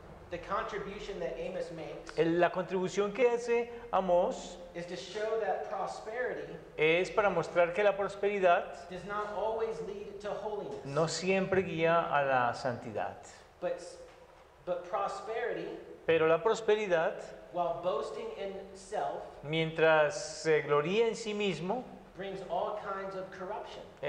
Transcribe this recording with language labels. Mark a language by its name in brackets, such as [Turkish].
[English] The contribution that Amos makes, [Spanish] la contribución que hace Amos, [English] is to show that prosperity, [Spanish] es para mostrar que la prosperidad, [English] does not always lead to holiness, [Spanish] no siempre guía a la santidad. [English] But prosperity, [Spanish] pero la prosperidad, [English] while boasting in self, [Spanish] mientras se gloría en sí mismo, [English] brings all kinds of corruption.